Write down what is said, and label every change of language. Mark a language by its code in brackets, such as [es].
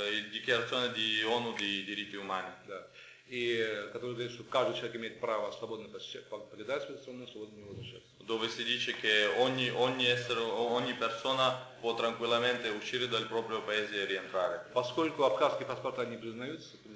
[it] Dichiarazione di ONU di diritti umani. [ru] И который говорит, что каждый человек имеет право свободно покидать свою страну, свободно не возвращаться. [it] Dove si dice che ogni persona può tranquillamente uscire dal proprio paese e rientrare. [ru] Поскольку абхазские паспорта не признавались,